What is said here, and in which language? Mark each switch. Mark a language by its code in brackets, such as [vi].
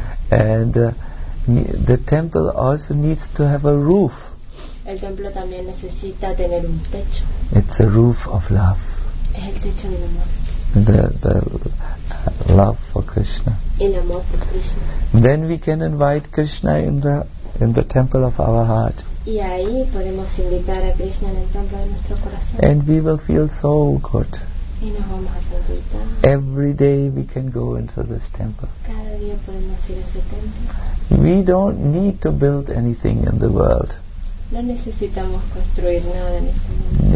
[en] And the temple also needs to have a roof. [es] El templo también necesita tener un techo. [en] It's a roof of love. [es] Es el techo del amor. [en] The love for Krishna. [es] In amor por Krishna. [en] Then we can invite Krishna in the temple of our heart. [es] Y ahí podemos invitar a Krishna en el templo de nuestro corazón. [en] And we will feel so good. [es] Y nos vamos a sentir tan. [en] Every day we can go into this temple. [es] Cada día podemos ir a ese templo. [en] We don't need to build anything in the world. [es] No necesitamos construir nada en este mundo.